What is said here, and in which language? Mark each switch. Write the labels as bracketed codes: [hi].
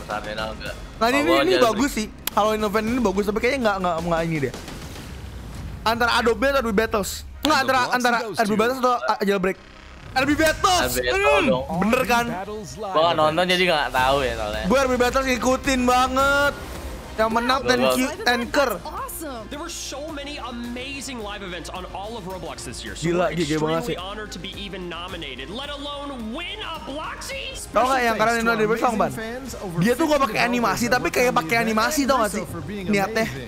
[id] kalau sadar enggak. Nah, ini bagus sih. Halloween event ini bagus tapi kayaknya enggak ini deh. Antara Adobe atau RB Battles? Enggak, antara RB Battles atau Jailbreak? RB Battles! Bener kan? Gue gak nonton jadi gak tahu ya soalnya. Gue RB Battles ngikutin banget. Yang menang Tanker. [en] There were so many amazing live events on all of Roblox this year. [id] So gila, gigi banget sih. [en] Honored to be even nominated, let alone win a Bloxy. [id] Tahu nggak yang karena ini dari Song Ban? Dia tuh gak pakai animasi, tapi kayak pakai animasi tau gak sih? Niatnya.